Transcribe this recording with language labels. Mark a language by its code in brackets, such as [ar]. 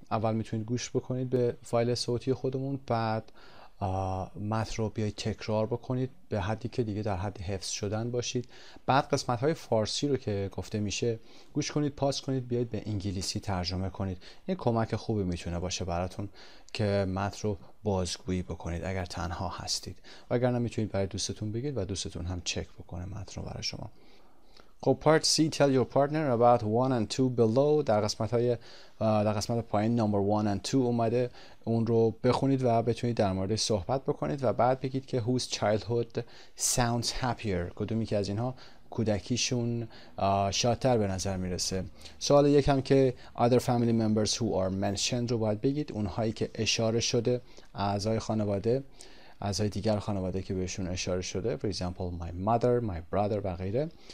[fa] اول میتونید گوش بکنید به فایل صوتی خودمون، بعد متن رو بیایید تکرار بکنید به حدی که دیگه در حد حفظ شدن باشید، بعد قسمت‌های فارسی رو که گفته میشه گوش کنید، پاس کنید، بیایید به انگلیسی ترجمه کنید. این کمک خوبی میتونه باشه براتون که متن رو بازگویی بکنید اگر تنها هستید، وگرنه میتونید برای دوستتون بگید و دوستتون هم چک بکنه متن رو برای شما. [en] Part C, tell your partner about 1 and 2 below. [fa] در قسمت پایین [en] number 1 and 2 [fa] اومده، اون رو بخونید و بتونید در مورد صحبت بکنید و بعد بگید که [en] whose childhood sounds happier، [fa] کدومی که از اینها کودکیشون شادتر به نظر میرسه. سوال یکم که [en] other family members who are mentioned [fa] رو باید بگید، اونهایی که اشاره شده، اعضای خانواده، اعضای دیگر خانواده که بهشون اشاره شده، [en] for example my mother, my brother [fa] و غیره.